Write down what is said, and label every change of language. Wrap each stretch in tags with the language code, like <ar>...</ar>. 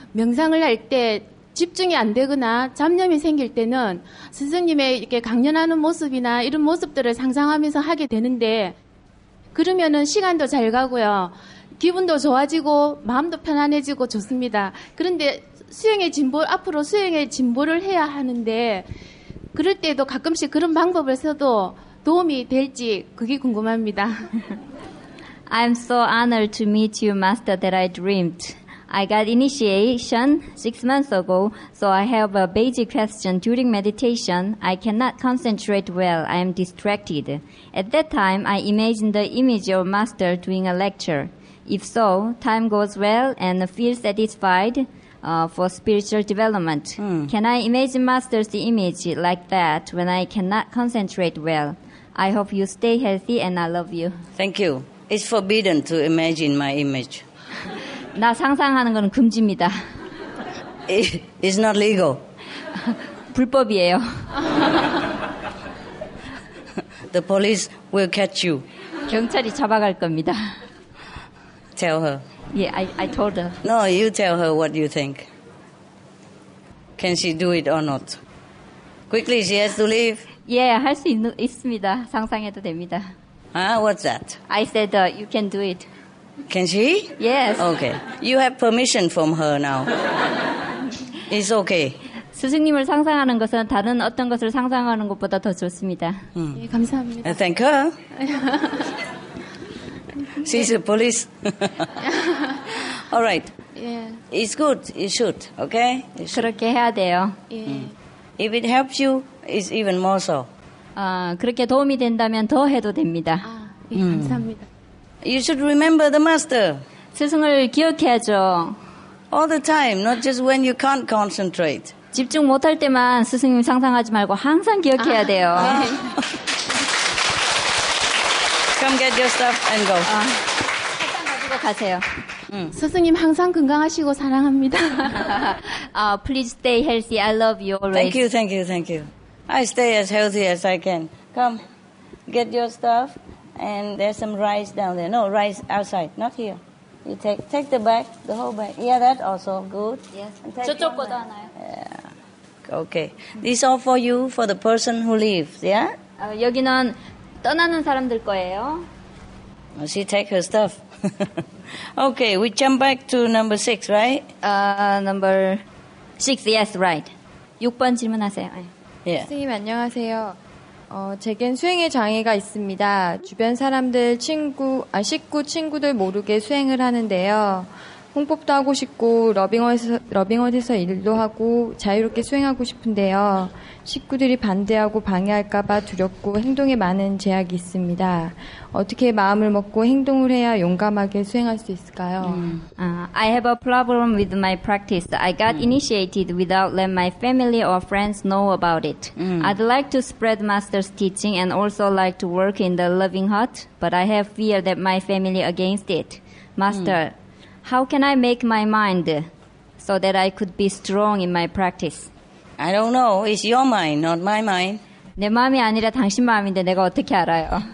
<ko>명상을 할 때 집중이 안 되거나 잡념이 생길 때는 스승님의 이렇게 강연하는 모습이나 이런 모습들을 상상하면서 하게 되는데 그러면은 시간도 잘 가고요. 기분도 좋아지고 마음도 편안해지고 좋습니다. 그런데 수행의 진보, 앞으로 수행의 진보를 해야 하는데 그럴 때도 가끔씩 그런 방법을 써도 도움이 될지 그게 궁금합니다.</ko> <en>I'm so honored to meet you, Master, that I dreamed. I got initiation 6 months ago, so I have a basic question during meditation. I cannot concentrate well. I am distracted. At that time, I imagined the image of Master doing a lecture. If so, time goes well and feel satisfied for spiritual development. Can I imagine Master's image like that when I cannot concentrate well? I hope you stay healthy and I love you. Thank you. It's forbidden to imagine my image.</en> <ko>나 상상하는 건 금지입니다.</ko> <en>It's not legal.</en> <ko>불법이에요.</ko> <en>The police will catch you.</en> <ko>경찰이 잡아갈 겁니다.</ko> <en>Tell her. Yeah, I told her. No, you tell her what you think. Can she do it or not? Quickly, she has to leave. Yeah,</en> <ko>할 수 있습니다. 상상해도 됩니다.</ko> <en>Huh? What's that? I said you can do it. Can she? Yes. Okay. You have permission from her now. It's okay.</en> <ko>스승님을 상상하는 것은 다른 어떤 것을 상상하는 것보다 더 좋습니다. 예, 감사합니다.</ko> <en>I thank her. She's a police. All right. Yeah. It's good. You should. Okay? You should.</en> <ko>그렇게 해야 돼요.</ko> <en>Yeah. If it helps you, it's even more so.</en> <ko>그렇게 도움이 된다면 더 해도 됩니다. 아, 예, 감사합니다.</ko> <en>You should remember the master.</en> <ko>스승을 기억해야죠.</ko> <en>All the time, not just when you can't concentrate.</en> <ko>집중 못할 때만 스승님 상상하지 말고 항상 기억해야 돼요. 아.</ko> <en>Come get your stuff and go.</en> <ko>일단 가지고 가세요. 스승님 항상 건강하시고 사랑합니다.</ko> <en>please stay healthy. I love you always. Thank you, thank you, thank you. I stay as healthy as I can. Come, get your stuff. And there's some rice down there. No, rice outside, not here. You take the bag, the whole bag. Yeah, that also, good. Yes.</en> <ko>저쪽 것도 하나요?</ko> <en>Yeah. Okay. This all for you, for the person who leaves, yeah?</en> <ko>여기는 떠나는 사람들 거예요.</ko> <en>She take her stuff. Okay, we jump back to number six, right? Number six, yes, right.</en> <ko>6번 질문하세요.</ko> <en>Yeah.</en> <ko>선생님, 안녕하세요. 제겐 수행의 장애가 있습니다. 주변 사람들, 식구, 친구들 모르게 수행을 하는데요. 홍법도 하고 싶고, 러빙원에서 일도 하고, 자유롭게 수행하고 싶은데요. 식구들이 반대하고 방해할까봐 두렵고, 행동에 많은 제약이 있습니다. 어떻게 마음을 먹고 행동을 해야 용감하게 수행할 수 있을까요?</ko> <en>I have a problem with my practice. I got initiated without letting my family or friends know about it. I'd like to spread Master's teaching and also like to work in the loving heart, but I have fear that my family against it. Master, how can I make my mind so that I could be strong in my practice? I don't know. It's your mind, not my mind.</en> <ko>내 마음이 아니라 당신 마음인데 내가 어떻게 알아요?</ko>